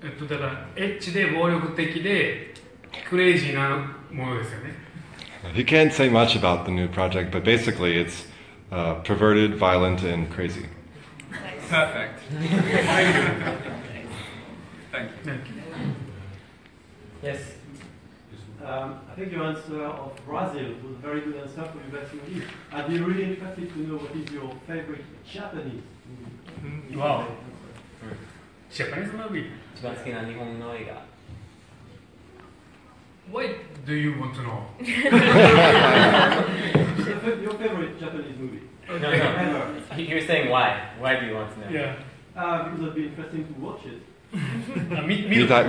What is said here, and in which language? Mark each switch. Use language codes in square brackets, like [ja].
[ja] だからエッチで暴力的でクレイジーなものですよね。 [en] He can't say much about the new project, but basically it's perverted, violent, and crazy. Perfect. Thank you. Yes. I think your answer of Brazil was a very good answer for you, but I'd be really interested to know what is your favorite Japanese movie. Wow. Japanese movie. [ja] 一番好きな日本の映画。 [en] What do you want to know? Your favorite Japanese movie. No, no. You're saying why? Why do you want to know? Yeah. Because it'd be interesting to watch it.